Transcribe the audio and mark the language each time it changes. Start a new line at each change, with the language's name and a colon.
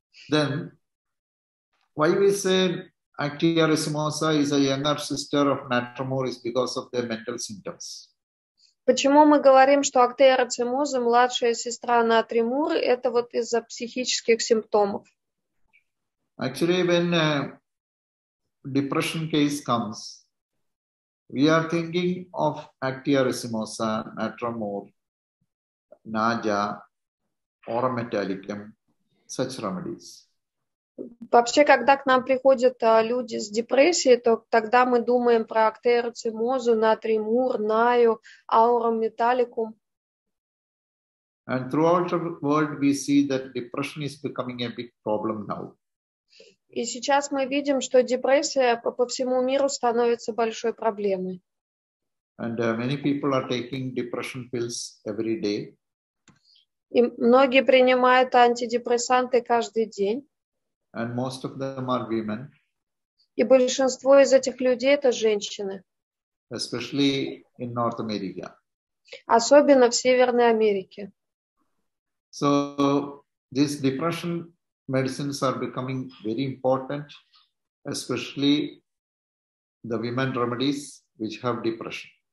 English: Then why we say Actia racemosa is a younger sister of Natremor is because of their mental symptoms.
Russian: Почему мы говорим, что Actia racemosa младшая сестра Натремор, это вот из-за психических симптомов?
English: Actually, when a depression case comes, we are thinking of Actia racemosa, Natremor, Naja, Aurum metallicum, such remedies.
Russian: Вообще, когда к нам приходят люди с депрессией, то тогда мы думаем про Actia racemosa, Натремор, Наю, Aurum metallicum.
English: And throughout the world we see that depression is becoming a big problem now.
Russian: И сейчас мы видим, что депрессия по всему миру становится большой проблемой.
English: And many people are taking depression pills every day.
Russian: И многие принимают антидепрессанты каждый день.
English: And most of them are women.
Russian: И большинство из этих людей это женщины.
English: Especially in North America.
Russian: Особенно в Северной Америке.
English: So these depression medicines are becoming very important, especially the women remedies which have depression.